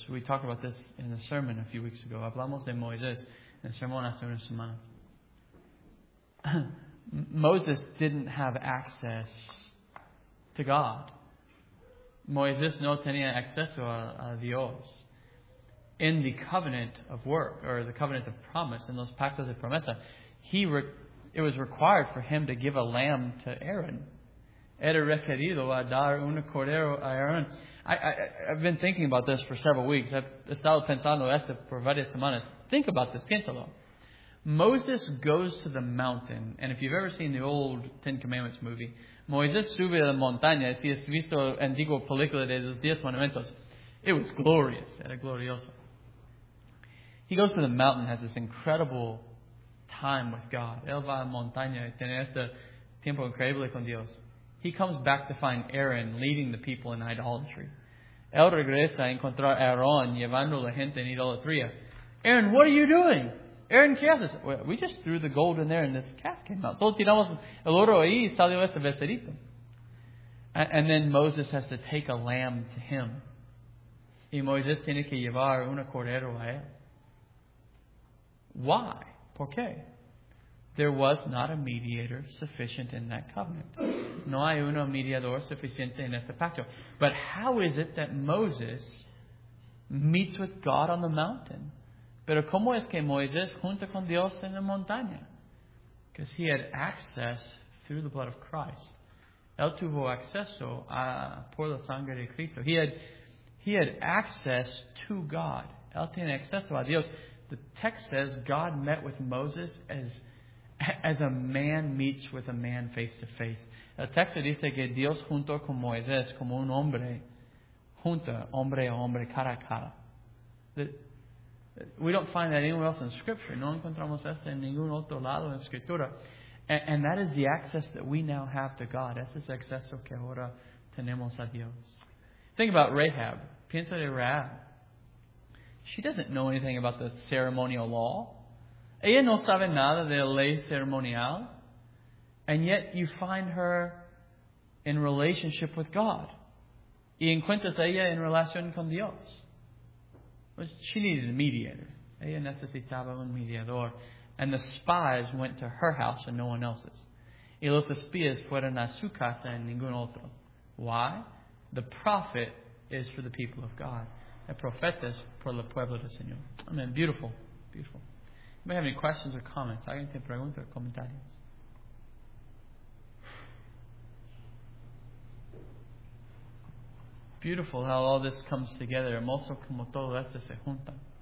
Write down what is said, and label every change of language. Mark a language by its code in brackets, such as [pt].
[en] We talked about this in the sermon a few weeks ago. [es] Hablamos de Moisés en el sermón hace unas semanas. [en] Moses didn't have access to God. [es] Moisés no tenía acceso a Dios. [en] In the covenant of work, or the covenant of promise, in [es] los pactos de promesa, [en] it was required for him to give a lamb to Aaron. [es] Era requerido a dar un cordero a Aaron. [en] I've been thinking about this for several weeks. [es] I've estado pensando esto por varias semanas. [en] Think about this, [es] piénsalo. [en] Moses goes to the mountain, and if you've ever seen the old Ten Commandments movie, [es] Moisés sube a la montaña. Si has visto la antigua película de los 10 mandamientos, [en] it was glorious. [es] Era glorioso. [en] He goes to the mountain, has this incredible time with God. [es] Él va a la montaña y tiene este tiempo increíble con Dios. [en] He comes back to find Aaron leading the people in idolatry. [es] Él regresa a encontrar a Aaron llevando la gente en idolatría. [en] Aaron, what are you doing? [es] Aaron, ¿qué haces? [en] We just threw the gold in there and this calf came out. [es] Solo tiramos el oro ahí y salió este becerito. [en] And then Moses has to take a lamb to him. [es] Y Moisés tiene que llevar un cordero a él. [en] Why? [es] ¿Por qué? [en] There was not a mediator sufficient in that covenant. [es] No hay un mediador suficiente en este pacto. [en] But how is it that Moses meets with God on the mountain? [es] Pero cómo es que Moisés junta con Dios en la montaña? [en] Because he had access through the blood of Christ. [es] Él tuvo acceso por la sangre de Cristo. [en] He had access to God. [es] Él tiene acceso a Dios. [en] The text says God met with Moses as a man meets with a man face to face. [es] El texto dice que Dios junto con Moisés como un hombre junta hombre a hombre cara a cara. [en] We don't find that anywhere else in Scripture. [es] No encontramos esto en ningún otro lado en Escritura. [en] And that is the access that we now have to God. [es] Ese es el acceso que ahora tenemos a Dios. [en] Think about Rahab. [es] Piensa de Rahab. [en] She doesn't know anything about the ceremonial law. [es] Ella no sabe nada de la ley ceremonial. [en] And yet you find her in relationship with God. [es] Y encuentras ella en relación con Dios. [en] She needed a mediator. [es] Ella necesitaba un mediador. [en] And the spies went to her house and no one else's. [es] Y los espías fueron a su casa y ningún otro. [en] Why? The prophet is for the people of God. [es] El profeta es por el pueblo del Señor. [en] Amen. Beautiful. Beautiful. You may have any questions or comments. [es] ¿Alguien tiene preguntas o comentarios? [en] Beautiful how all this comes together. [es] Hermoso como todo esto se junta.